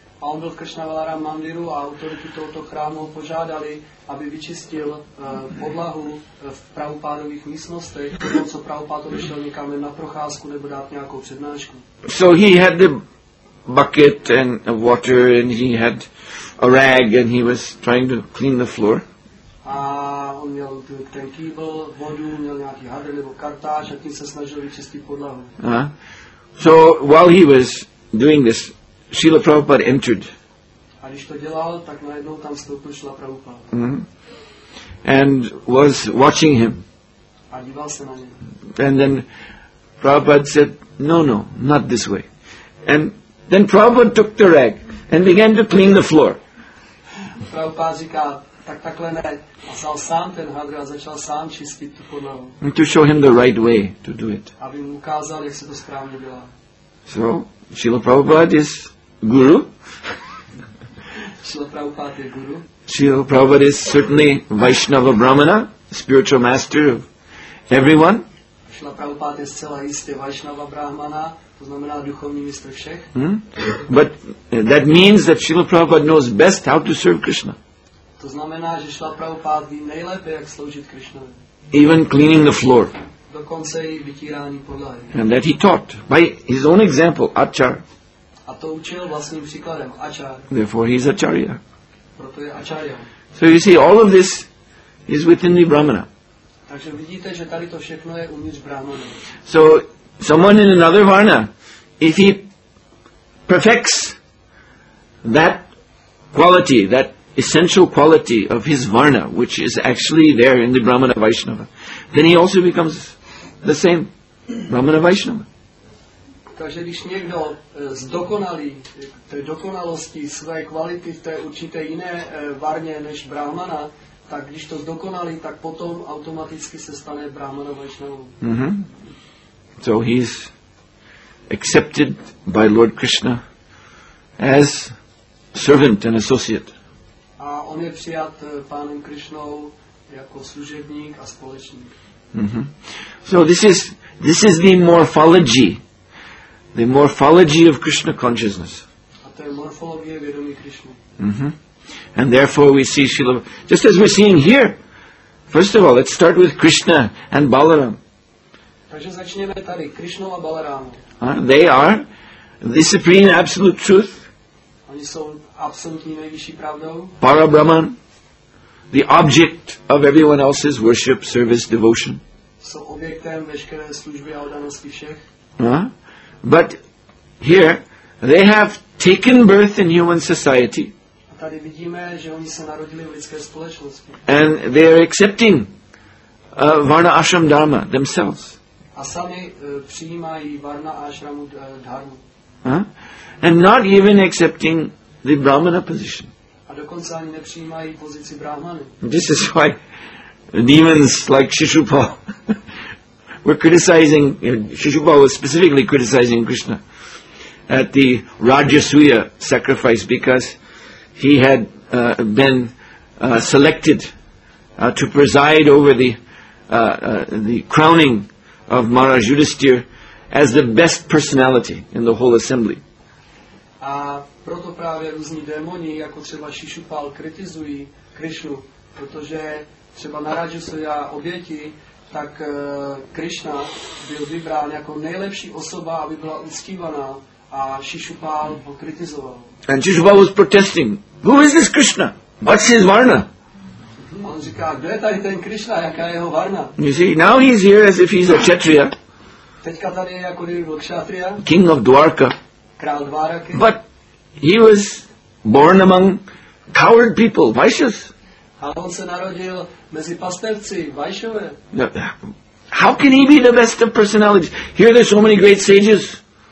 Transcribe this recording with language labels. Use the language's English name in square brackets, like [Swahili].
[Czech] a on byl Kršna Valaram Mandiru a autority tohoto chrámu ho požádali, aby vyčistil podlahu v pravopádových místnostech, když co pravopád odešel někam na procházku nebo dát nějakou přednášku. [English] So he had the bucket and water and he had a rag and he was trying to clean the floor. [Czech] A on měl ten kýbl, vodu, měl nějaký hadr nebo kartáž a tím se snažil vyčistit podlahu. [English] So while he was doing this, Srila Prabhupada entered. [Czech] A když to dělal, tak najednou tam vstoupil Srila Prabhupada. [English] And was watching him. [Czech] A díval se na něj. [English] And then Prabhupada said, no, not this way. And then Prabhupada took the rag and began to clean the floor. [Czech] Prabhupada říká, tak takhle ne. A vzal sám ten hadr a začal sám čistit tu podlahu. [English] And to show him the right way to do it. [Czech] Aby mu ukázal, jak se to správně dělá. [English] So, Srila Prabhupada is guru. [Czech] Srila Prabhupada je guru. [English] Srila Prabhupada is certainly Vaishnava Brahmana, spiritual master of everyone. [Czech] Srila Prabhupada je zcela jistě Vaishnava Brahmana, to znamená duchovní mistr všech. [English] But that means that Srila Prabhupada knows best how to serve Krishna. [Czech] To znamená, že Srila Prabhupada ví nejlépe, jak sloužit Krishnovi. [English] Even cleaning the floor. [Czech] Dokonce i vytírání podlahy. [English] And that he taught by his own example, achar. [Czech] A to učil vlastním příkladem, achar. [English] Therefore he is acharya. [Czech] Proto je acharya. [English] So you see, all of this is within the Brahmana. [Czech] Takže vidíte, že tady to všechno je uvnitř Brahmana. [English] So someone in another varna, if he perfects that quality, that essential quality of his varna, which is actually there in the Brahmana Vaishnava, then he also becomes the same Brahmana Vaishnava. [Czech] Takže když někdo zdokonalí té dokonalosti své kvality v té určité jiné varně než Brahmana, tak když to zdokonalí, tak potom automaticky se stane Brahmana Vaishnava. [English] So he is accepted by Lord Krishna as servant and associate. [Czech] A on je přijat pánem Krishnou jako služebník a společník. [English] So this is the morphology. The morphology of Krishna consciousness. [Czech] A to je morfologie vědomí Krishna. [English] And therefore we see Srila, just as we're seeing here. First of all, let's start with Krishna and Balaram. [Czech] Takže začněme tady Krishnou a Balarámou. [English] They are the supreme absolute truth. [Czech] Oni jsou absolutní nejvyšší pravdou. [English] Parabrahman. The object of everyone else's worship, service, devotion. [Czech] So objektem veškeré služby a oddanosti všech. [English] But here they have taken birth in human society. [Czech] A tady vidíme, že oni se narodili v lidské společnosti. [English] And they are accepting varna ashram dharma themselves. [Czech] A sami přijímají varna ashram dharma. [English] And not even accepting the brahmana position. [Czech] Dokonce ani nepřijímají pozici brahmany. [English] This is why demons like Shishupal were criticizing, Shishupal was specifically criticizing Krishna at the Rajasuya sacrifice because he had been selected to preside over the crowning of Maharaj Yudhisthira as the best personality in the whole assembly. [Czech] A proto právě různí démoni, jako třeba Šišupal, kritizují Krišnu, protože třeba na Rajasuya oběti, tak Krišna byl vybrán jako nejlepší osoba, aby byla uctívaná, a Šišupal ho kritizoval. [English] And Šišupal was protesting. Who is this Krishna? What's his varna? [Czech] On říká, kdo je tady ten Krišna, jaká je jeho varna? [English] You see, now he's here as if he's a kshatriya. [Czech] Teďka tady je jako kdyby byl kshatriya. [English] King of Dwarka. [Czech] Král Dvaraky. [English] But he was born among coward people, Vaishyas. [Czech] A on se narodil mezi pastevci, Vaishyové. [English] How can he be the best of personalities? Here there's so many great sages.